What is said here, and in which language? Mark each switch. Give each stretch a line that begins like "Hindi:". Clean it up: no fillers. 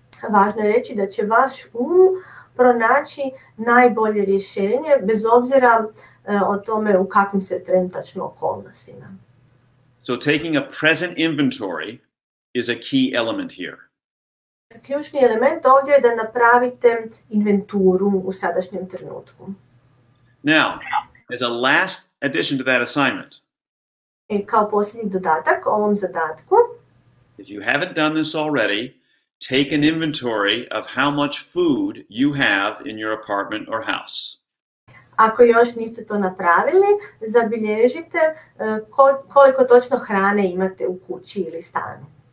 Croatian: Važno je reći da će vaš um pronaći najbolje rješenje, bez obzira o tome u kakvim se trenutačno okolnostima.
English: So taking a present inventory is a key element here.
Croatian: Ključni element ovdje je da napravite inventuru u sadašnjem trenutku.
English: Now, as a last addition to that assignment.
Croatian: I kao posljednji dodatak ovom zadatku.
English: If you haven't done this already, take an inventory of how much food you have in your apartment or house.
Croatian: Ako još niste to napravili, zabilježite koliko točno hrane imate u kući ili stanu.